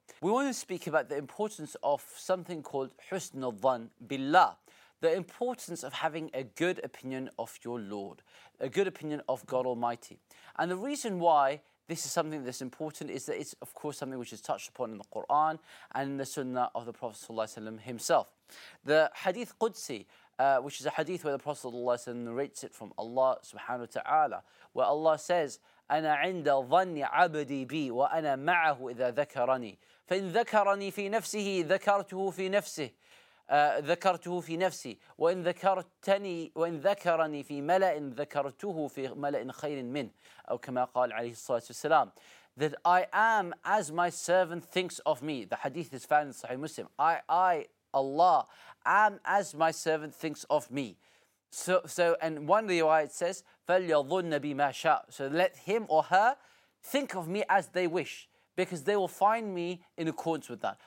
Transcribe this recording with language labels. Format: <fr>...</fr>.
<en>We want to speak about the importance of something called husn al-dhan billah, the importance of having a good opinion of your Lord, a good opinion of God Almighty. And the reason why this is something that's important is that it's, of course, something which is touched upon in the Qur'an and in the sunnah of the Prophet ﷺ himself. The hadith Qudsi, which is a hadith where the Prophet ﷺ narrates it from Allah subhanahu wa ta'ala, where Allah says,</en> <ar>أَنَا عِنْدَ ظَنِّ عَبْدِي بِي وَأَنَا مَعَهُ إِذَا ذَكَرَنِي فَإِنْ ذَكَرَنِي فِي نَفْسِهِ ذَكَرْتُهُ فِي نَفْسِهِ ذَكَرْتُهُ فِي نَفْسِي وَإِنْ ذَكَرْتَنِي وَإِنْ ذَكَرَنِي فِي مَلَئٍ ذَكَرْتُهُ فِي مَلَئٍ خَيْرٍ مِنْ أو كما قال عليه الصلاة والسلام,</ar> <en>that I am as my servant thinks of me. The hadith is found in Sahih Muslim. I, Allah, am as my servant thinks of me. So and one riwayat says,</en> <ar>فَلْيَظُنَّ بِمَا شَاءُ,</ar> <en>so let him or her think of me as they wish, because they will find me in accordance with that.</en>